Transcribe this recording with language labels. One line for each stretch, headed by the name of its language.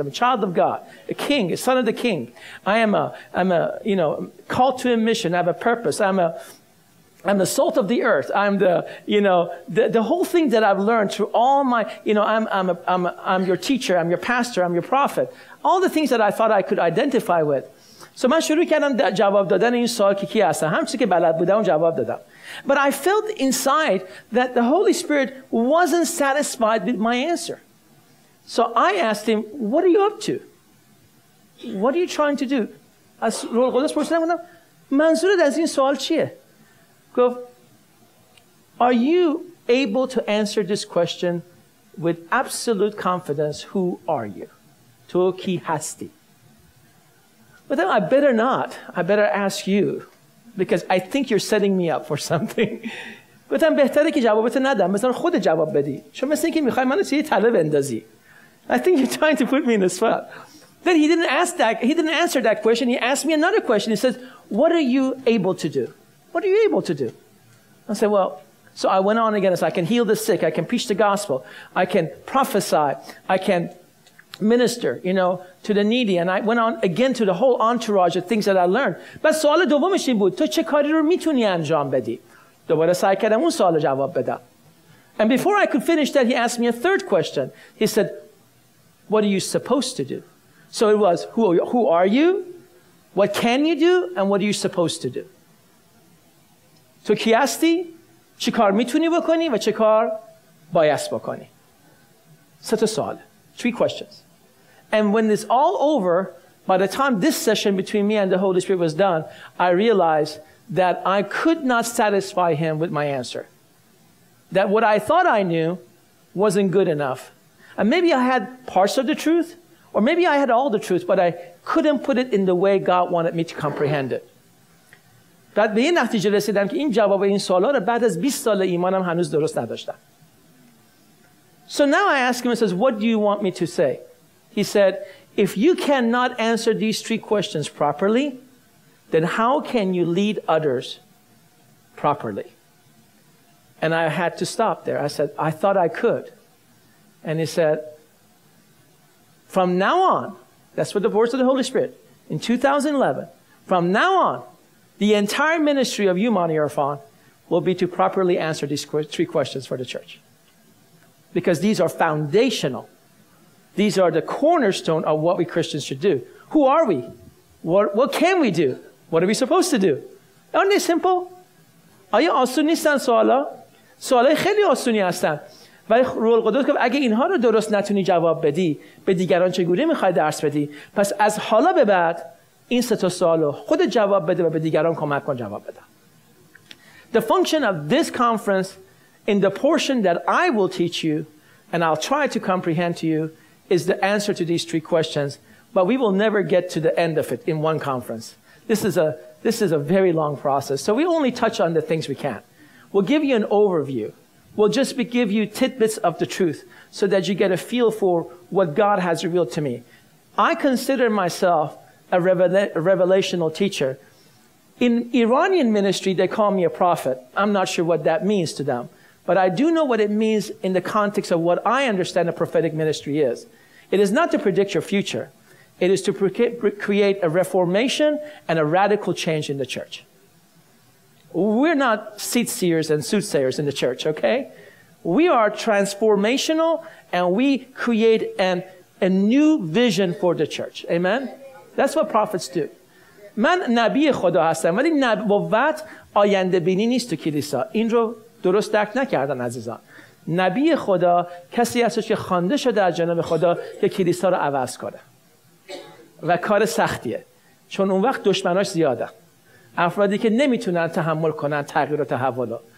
English: I'm a child of God, a king, a son of the king. I'm a you know, called to a mission. I have a purpose. I'm the salt of the earth. I'm the, you know, the whole thing that I've learned through all my, you know, I'm your teacher, I'm your pastor, I'm your prophet. All the things that I thought I could identify with.
Persian: So من شروع کردم جواب دادن این سوال که کی هستم. همچی که بلد بودم جواب دادم.
English: But I felt inside that the Holy Spirit wasn't satisfied with my answer. So I asked him, what are you up to? What are you trying to do?
Persian: از روح القدس پرسیدم بودم منظورت از این سوال چیه؟ گفت,
English: are you able to answer this question with absolute confidence? Who are you?
Persian: تو کی هستی؟
English: But then I better not. I better ask you, because I think you're setting me up for something. But I'm
Persian: بهتره که جوابت ندم. مثلا خود جواب بدی. شما مثل اینکه میخوای منو توی تله بندازی.
English: I think you're trying to put me in a spot. Then he didn't ask that. He didn't answer that question. He asked me another question. He says, "What are you able to do? What are you able to do?" I said, "Well, so I went on again. So I can heal the sick. I can preach the gospel. I can prophesy. I can." Minister, you know, to the needy. And I went on again to the whole entourage of things that I learned.
Persian: But سوال دومش این بود, تو چه کاری رو میتونی انجام بدی؟ دوباره سعی کردم اون سوال جواب بدم.
English: And before I could finish that, he asked me a third question. He said, what are you supposed to do? So it was, who are you? What can you do? And what are you supposed to do?
Persian: تو کی هستی؟ چی کار میتونی بکنی و چه کار باید بکنی؟ سه تا سوال.
English: Three questions. And when it's all over, by the time this session between me and the Holy Spirit was done, I realized that I could not satisfy him with my answer. That what I thought I knew wasn't good enough. And maybe I had parts of the truth, or maybe I had all the truth, but I couldn't put it in the way God wanted me to comprehend it.
Persian: بعد به این نتیجه رسیدم که این جواب این سوالا رو بعد از 20 سال ایمانم هنوز درست نداشتم.
English: So now I ask him, he says, what do you want me to say? He said, if you cannot answer these three questions properly, then how can you lead others properly? And I had to stop there. I said, I thought I could. And he said, from now on, that's what the words of the Holy Spirit, in 2011, from now on, the entire ministry of you, Mani Irfan, will be to properly answer these three questions for the church. Because these are foundational. These are the cornerstone of what we Christians should do. Who are we? What can we do? What are we supposed to do? Aren't they simple?
Persian: آیا آسون نیستن سوالا؟ سوالای خیلی آسونی هستن. ولی روح القدس گفت اگه اینها رو درست نتونی جواب بدی، به دیگران چگونه میخوای درس بدی؟ پس از حالا به بعد این سه تا سوالو خود جواب بده و به دیگران کمک کن جواب بده.
English: The function of this conference in the portion that I will teach you and I'll try to comprehend to you is the answer to these three questions, but we will never get to the end of it in one conference. This is a very long process, so we only touch on the things we can. We'll give you an overview. We'll just give you tidbits of the truth so that you get a feel for what God has revealed to me. I consider myself a revelational teacher. In Iranian ministry, they call me a prophet. I'm not sure what that means to them. But I do know what it means in the context of what I understand a prophetic ministry is. It is not to predict your future. It is to create a reformation and a radical change in the church. We're not seat seers and soothsayers in the church, okay? We are transformational and we create a new vision for the church. Amen? That's what prophets do.
Persian: من نبی خدا هستم ولی نبوت آینده بینی نیست تو کلیسا. این رو درست درک نکردن عزیزان. نبی خدا کسی هستش که خوانده شده از جانب خدا که کلیسا رو عوض کنه. و کار سختیه. چون اون وقت دشمناش زیادن. افرادی که نمیتونن تحمل کنن تغییر و تحول.